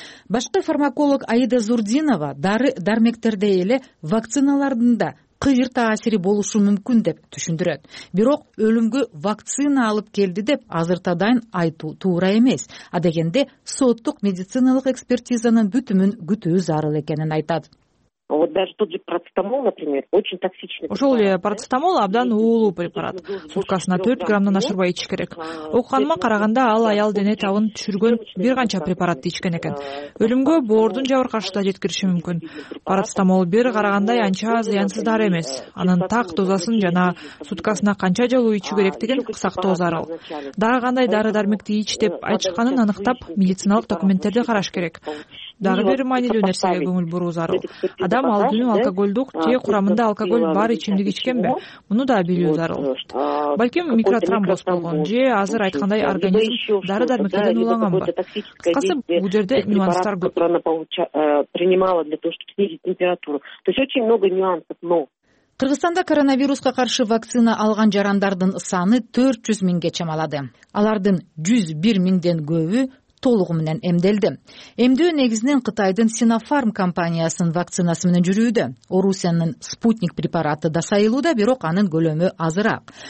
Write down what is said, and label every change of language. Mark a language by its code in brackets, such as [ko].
[ky] Башкы фармаколог Аида Зурдинова дары-дармектердей эле вакциналардын да кыйыр таасири болушу мүмкүн деп түшүндүрөт. Бирок өлүмгө вакцина алып келди деп азырта дайын айтуу туура эмес. А дегенде соттук медициналык экспертизанын бүтүмүн күтүү зарыл экенин айтат. [ru] Вот даже тот же парацетамол, например, очень токсичный препарат. [ky] Ошол эле парацетамол абдан уулуу препарат. Суткасына 4 граммдан ашырбай ич керек. Окуганыма караганда ал аял дене табын түшүргөн бир канча препаратты ичкен экен. Өлүмгө боордун жабыркашы да жеткириши мүмкүн. Парацетамол бир карагандай анча зыянсыз дары эмес. Анын так дозасын жана суткасына канча жолу ичүү керектигин сактоо зарыл. Дагы кандай дары-дармекти ич деп айтышканын аныктап, медициналык документтерди караш керек. Дагы бир маанилүү нерсеге көңүл буруу зарыл. Адам алдын алкоголдук же курамында алкоголь бар ичимдик ичкенби? Муну да билүү зарыл. Балким микротромбоз болгон же азыр айткандай организм дары-дармектерден уланганбы? Кыскасы, бул жерде нюанстар көп. [ru] Принимала для того, чтобы снизить температуру. То есть очень много нюансов, но [ky] Кыргызстанда коронавируска каршы вакцина алган жарандардын саны 400 миңге чамалады. Алардын 101 миңден көбү толугу менен эмделди. Эмдөө негизинен Кытайдын Sinopharm компаниясынын вакцинасы менен жүрүүдө. Орусиянын Спутник препараты да сайылууда, бирок анын көлөмү азыраак.